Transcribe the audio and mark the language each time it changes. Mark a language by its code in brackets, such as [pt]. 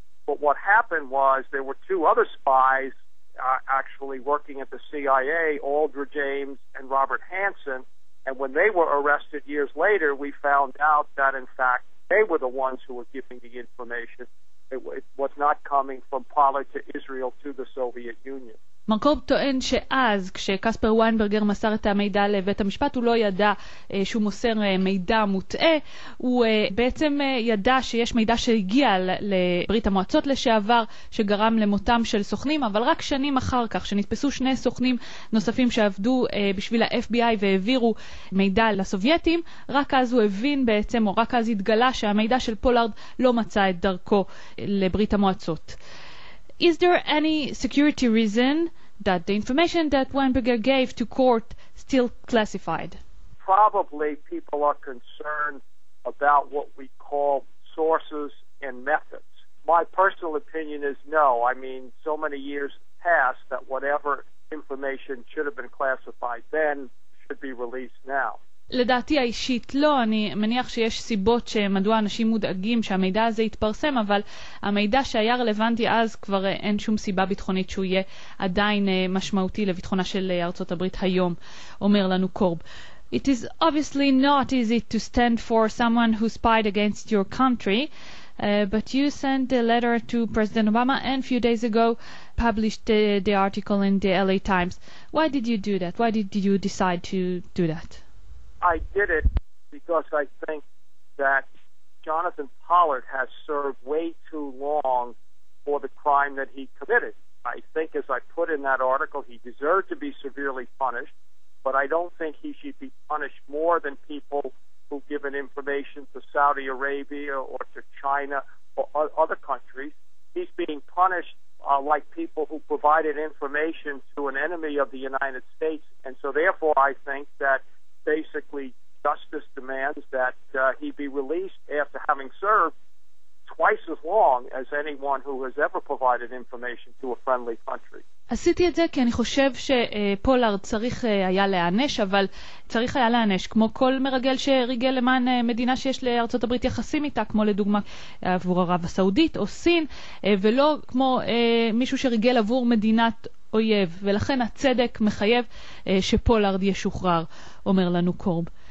[en] But what happened was there were two other spies actually working at the CIA, Aldra James and Robert Hansen, and when they were arrested years later, we found out that in fact they were the ones who were giving the information. It was not coming from Pollard to Israel to the Soviet Union. [he] מר קורב טוען שאז, כשקספר ויינברגר מסר את המידע לבית המשפט, הוא לא ידע שהוא מוסר מידע מוטעה. הוא בעצם ידע שיש מידע שהגיע לברית המועצות לשעבר, שגרם למותם של סוכנים, אבל רק שנים אחר כך, שנתפסו שני סוכנים נוספים שעבדו בשביל ה-FBI והעבירו מידע לסובייטים, רק אז הוא הבין בעצם, או רק אז התגלה, שהמידע של פולארד לא מצא את דרכו לברית המועצות. [en] Is there any security reason that the information that Weinberger gave to court still classified? Probably people are concerned about what we call sources and methods. My personal opinion is no. I mean, so many years passed that whatever information should have been classified then should be released now. [he] לדעתי האישית לא, אני מניח שיש סיבות שמדוע אנשים מודאגים שהמידע הזה יתפרסם, אבל המידע שהיה רלוונטי אז כבר אין שום סיבה ביטחונית שהוא יהיה עדיין משמעותי לביטחונה של ארצות הברית היום, אומר לנו קורב. [en] It is obviously not easy to stand for someone who spied against your country, but you sent a letter to President Obama and a few days ago published the article in the LA Times. Why did you do that? Why did you decide to do that? I did it because I think that Jonathan Pollard has served way too long for the crime that he committed. I think, as I put in that article, he deserved to be severely punished, but I don't think he should be punished more than people who've given information to Saudi Arabia or to China or other countries. He's being punished like people who provided information to an enemy of the United States, and so therefore I think that basically justice demands that he be released after having served twice as long as anyone who has ever provided information to a friendly country. [he] עשיתי את זה כי אני חושב שפולארד צריך היה להיענש, אבל צריך היה להיענש, כמו כל מרגל שריגל למען מדינה שיש לארצות הברית יחסים איתה, כמו לדוגמה עבור ערב הסעודית או סין, ולא כמו מישהו שריגל עבור מדינת אויב, ולכן הצדק מחייב שפולארד ישוחרר, אומר לנו קורב.